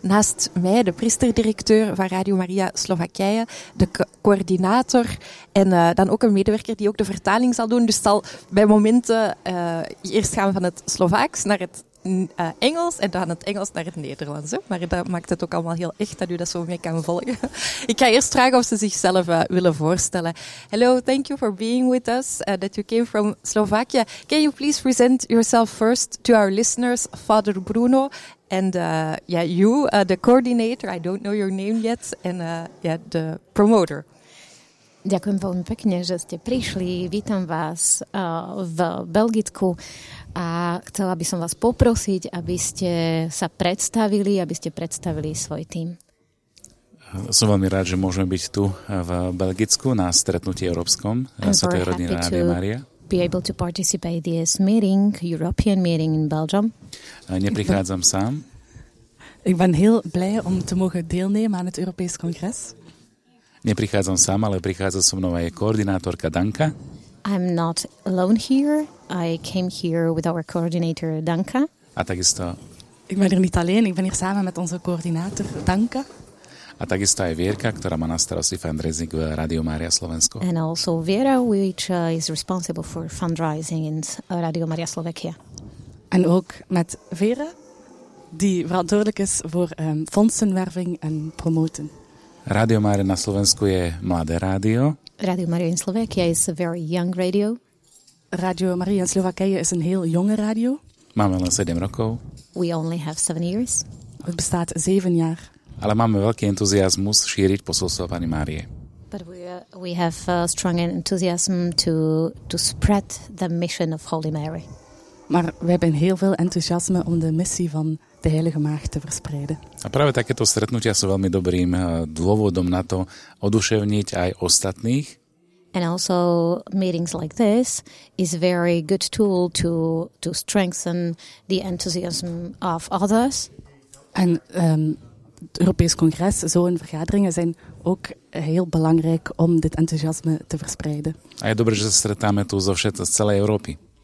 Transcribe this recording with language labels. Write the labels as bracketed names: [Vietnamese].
[Dutch] Naast mij, de priesterdirecteur van Radio Maria Slowakije, de coördinator en dan ook een medewerker die ook de vertaling zal doen. Dus zal bij momenten eerst gaan van het Slovaaks naar het Engels en dan het Engels naar het Nederlands. Hè? Maar dat maakt het ook allemaal heel echt dat u dat zo mee kan volgen. Ik ga eerst vragen of ze zichzelf willen voorstellen. [English] Hello, thank you for being with us, that you came from Slovakia. Can you please present yourself first to our listeners, Father Bruno, and you, the coordinator, I don't know your name yet, and the promoter. [Slovak] Ďakujem veľmi pekne, že ste prišli. Vítam vás v Belgicku a chcela by som vás poprosiť, aby ste sa predstavili, aby ste predstavili svoj tým. Som veľmi rád, že môžeme byť tu v Belgicku na stretnutí európskom Svätej rodiny Rádia Mária. [English] Be able to participate in this meeting, European meeting in Belgium. [Slovak] Neprichádzam sám. [Dutch] Ik ben heel blij om te mogen deelnemen aan het Europees Congres. [Slovak] Neprichádzam sám, ale prichádza so mnou aj koordinátorka Danka. [English] I'm not alone here. I came here with our coordinator Danka. [Slovak] A takisto. [Dutch] Ik ben hier niet alleen, ik ben hier samen met onze coördinator Danka. [Slovak] A takisto aj Vierka, ktorá má na starosti fundraising v Radio Maria Slovensko. [English] And also Vera, which is responsible for fundraising in Radio Maria Slovakia. [Dutch] En ook met Vera, die verantwoordelijk is voor fondsenwerving en promoten. [Slovak] Radio Mária na Slovensku je mladé rádio. [English] Radio Mária in Slovakia is a very young radio. [Dutch] Radio Mária in Slovakia is een heel jonge radio. [Slovak] Máme len 7 rokov. [English] We only have 7 years. [Dutch] Het bestaat 7 jaar. [Slovak] Ale máme veľký entuziasmus šíriť posolstvo Panny Márie. [English] But we have a strong enthusiasm to spread the mission of Holy Mary. [Dutch] Maar we hebben heel veel enthousiasme om de missie van de Heilige Maagd te verspreiden. [Slovak] A práve takéto stretnutia sú veľmi dobrým dôvodom na to oduševniť aj ostatných. [English] And also meetings like this is very good tool to strengthen the enthusiasm of others. [Dutch] En het Europees Congres, zo'n vergaderingen zijn ook heel belangrijk om dit enthousiasme te verspreiden. [Slovak] A je dobré, že sa stretáme tu zo všetko z celej Európy.